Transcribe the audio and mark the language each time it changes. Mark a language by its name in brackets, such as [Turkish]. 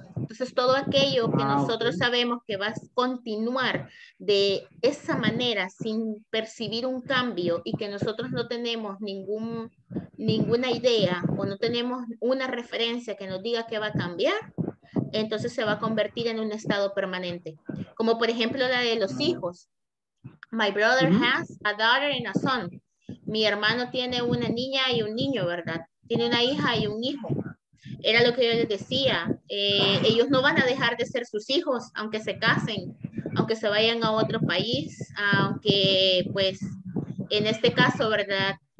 [Spanish] Entonces, todo aquello que nosotros sabemos que va a continuar de esa manera sin percibir un cambio y que nosotros no tenemos ninguna idea o no tenemos una referencia que nos diga que va a cambiar, entonces se va a convertir en un estado permanente. Como por ejemplo la de los hijos. [English] My brother has a daughter and a son. [Spanish] Mi hermano tiene una niña y un niño, ¿verdad? Tiene una hija y un hijo. Era lo que yo les decía. Ellos no van a dejar de ser sus hijos, aunque se casen, aunque se vayan a otro país, aunque, pues, en este caso, ¿verdad?